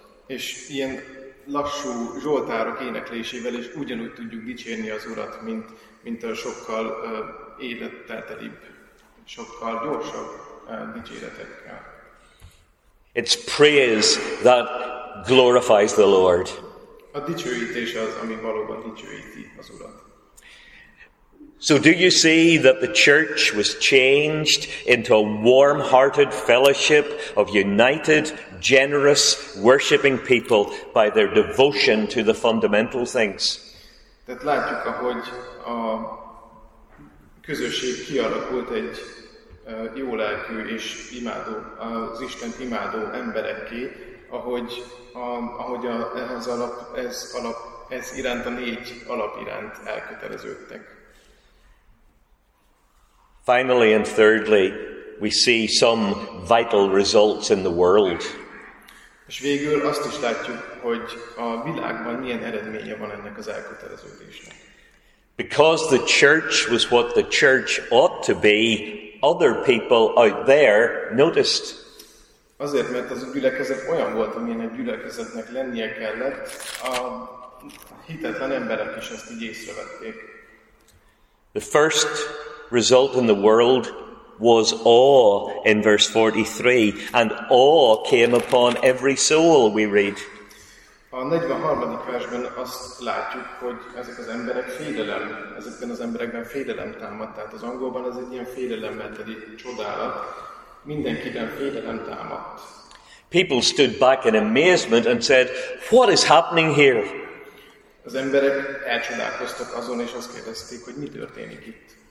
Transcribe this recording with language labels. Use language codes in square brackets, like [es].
[hu] És ilyen lassú zsoltárok éneklésével is ugyanúgy tudjuk dicsérni az Urat, mint a sokkal élettelibb, sokkal gyorsabb dicséretekkel. [en] It's praise that glorifies the Lord. [hu] A dicsőítés az, ami valóban dicsőíti az Urat. [en] So do you see that the church was changed into a warm-hearted fellowship of united, generous, worshiping people by their devotion to the fundamental things? [hu] Tehát látjuk, ahogy a közösség kialakult egy jó lelkű és imádó, az Istent imádó emberekké, ahogy ehhez alap, ez iránt, a négy alap iránt elköteleződtek. [en] Finally and thirdly, we see some vital results in the world. [hu] És végül azt is látjuk, hogy a világban milyen eredménye van ennek az elköteleződésnek. [en] Because the church was what the church ought to be, other people out there noticed. [hu] Azért, mert az a gyülekezet olyan volt, amilyen egy gyülekezetnek lennie kellett, a hitetlen emberek is ezt így észrevették. [en] The first result in the world was awe in verse 43, and awe came upon every soul, we read. [hu] A 43. versben azt látjuk, hogy ezek az emberek félelem, ezekben az emberekben félelem támadt. Tehát az angolban ez egy ilyen félelemmelteli csodálat. Mindenkiben félelem támadt. [en] People stood back in amazement and said, what is happening here? [hu] Az emberek elcsodálkoztak azon, és azt kérdezték, hogy mi történik itt.